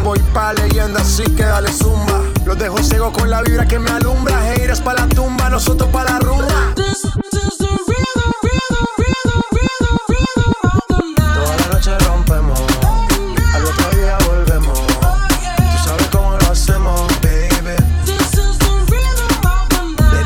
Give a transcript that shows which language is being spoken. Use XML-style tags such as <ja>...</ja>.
<es>Voy pa' leyenda, así que dale zumba. Los dejo ciego con la vibra que me alumbra. Haters pa' la tumba, nosotros pa' la rumba.</es> <en>This is the rhythm of the night.</en> <es>Toda la noche rompemos, al otro día volvemos.</es> <en>Oh, yeah.</en> <es>Tú sabes cómo lo hacemos, baby.</es> <en>This is the rhythm of the night.</en>